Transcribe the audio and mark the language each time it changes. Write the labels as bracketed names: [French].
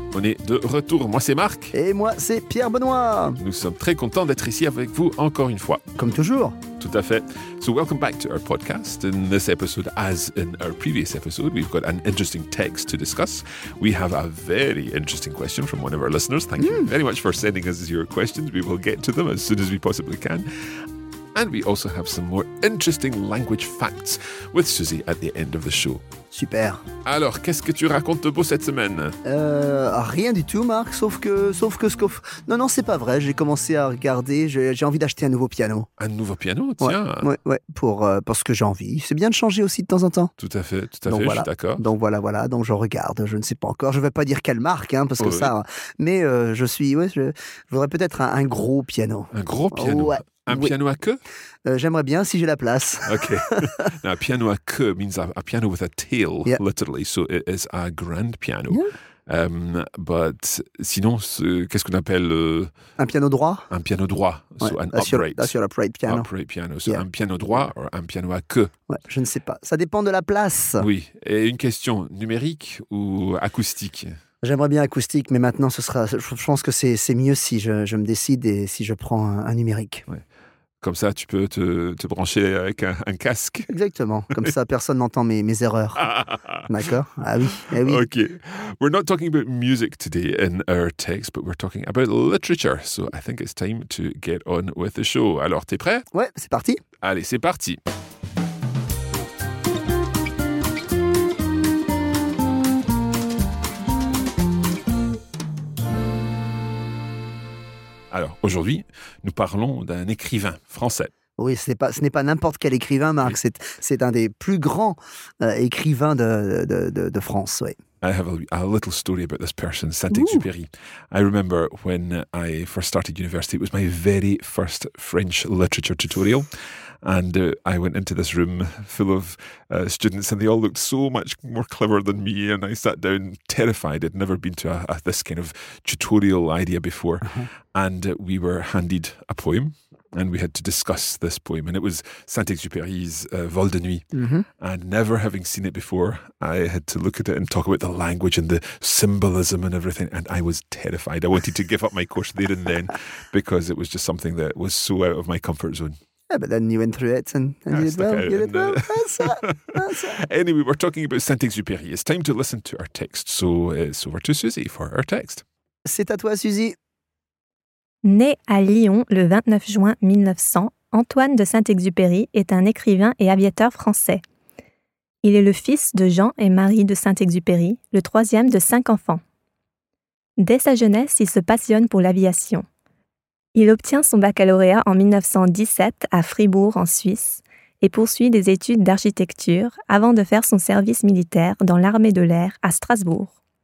[French] On est de retour, moi c'est Marc. Et moi c'est Pierre Benoît. Nous sommes très contents d'être ici avec vous encore une fois. Comme toujours. Tout à fait. [English] So welcome back to our podcast. In this episode, as in our previous episode, we've got an interesting text to discuss. We have a very interesting question from one of our listeners. Thank you very much for sending us your questions. We will get to them as soon as we possibly can. And we also have some more interesting language facts with Susie at the end of the show. [French] Super. Alors, qu'est-ce que tu racontes de beau cette semaine? Rien du tout, Marc, sauf que... Non, c'est pas vrai, j'ai commencé à regarder, j'ai envie d'acheter un nouveau piano. Un nouveau piano, tiens. Ouais, parce que j'ai envie. C'est bien de changer aussi de temps en temps. Tout à fait, donc, voilà. Je suis d'accord. Donc je regarde, je ne sais pas encore, je vais pas dire quelle marque, hein, parce que ça... Mais je voudrais peut-être un gros piano. Un gros piano? Ouais. Un piano à queue? J'aimerais bien si j'ai la place. [English] Okay. Now, a piano à queue means a piano with a tail, literally. So it is a grand piano. Yeah. [French] But sinon, qu'est-ce qu'on appelle? Un piano droit. Un piano droit. Ouais. [English] So an upright. That's your upright piano. Upright piano. So un piano droit or un piano à queue. [French] Ouais, je ne sais pas. Ça dépend de la place. Oui. Et une question, numérique ou acoustique? J'aimerais bien acoustique, mais maintenant, je pense que c'est mieux si je me décide et si je prends un numérique. Ouais. Comme ça, tu peux te brancher avec un casque. Exactement. Comme ça, personne n'entend mes erreurs. D'accord? Ah oui. [English] OK. We're not talking about music today in our text, but we're talking about literature. So I think it's time to get on with the show. [French] Alors, t'es prêt? Ouais, c'est parti. Allez, c'est parti. Alors, aujourd'hui, nous parlons d'un écrivain français. Oui, ce n'est pas n'importe quel écrivain, Marc. C'est un des plus grands écrivains de France, oui. [English] I have a little story about this person, Saint-Exupéry. I remember when I first started university, it was my very first French literature tutorial. And I went into this room full of students and they all looked so much more clever than me. And I sat down terrified. I'd never been to this kind of tutorial idea before. Uh-huh. And we were handed a poem and we had to discuss this poem. And it was Saint-Exupéry's Vol de Nuit. Mm-hmm. And never having seen it before, I had to look at it and talk about the language and the symbolism and everything. And I was terrified. I wanted to give up my course there and then because it was just something that was so out of my comfort zone. Yeah, but then you went through it and you did well. You did well. That's it. Anyway, we're talking about Saint-Exupéry. It's time to listen to our text. So it's over to Susie for our text. [French] C'est à toi, Susie. Né à Lyon le 29 juin 1900, Antoine de Saint-Exupéry est un écrivain et aviateur français. Il est le fils de Jean et Marie de Saint-Exupéry, le troisième de cinq enfants. Dès sa jeunesse, il se passionne pour l'aviation. Il obtient son baccalauréat en 1917 à Fribourg, en Suisse, et poursuit des études d'architecture avant de faire son service militaire dans l'armée de l'air à Strasbourg.